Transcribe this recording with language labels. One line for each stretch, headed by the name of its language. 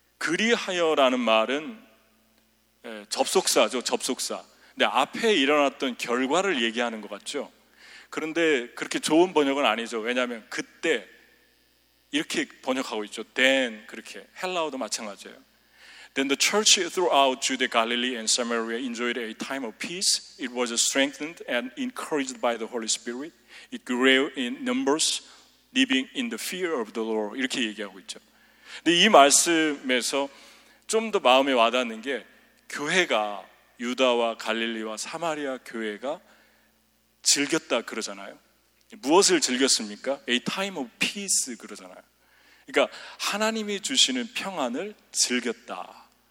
Korean: 그리하여라는 말은 접속사죠. 접속사. 근데 앞에 일어났던 결과를 얘기하는 것 같죠. 그런데 그렇게 좋은 번역은 아니죠. 왜냐하면 그때 이렇게 번역하고 있죠. Then 그렇게 헬라어도 마찬가지예요.
English: Then the church throughout Judea, Galilee, and Samaria enjoyed a time of peace. It was strengthened and encouraged by the Holy Spirit. It grew in numbers, living in the fear of the Lord.
Korean: 이렇게 얘기하고 있죠. 근데 이 말씀에서 좀 더 마음에 와닿는 게 교회가 유다와 갈릴리와 사마리아 교회가 즐겼다 그러잖아요. 무엇을 즐겼습니까?
English: A time of peace
Korean: 그러잖아요. 그러니까 하나님이 주시는 평안을 즐겼다.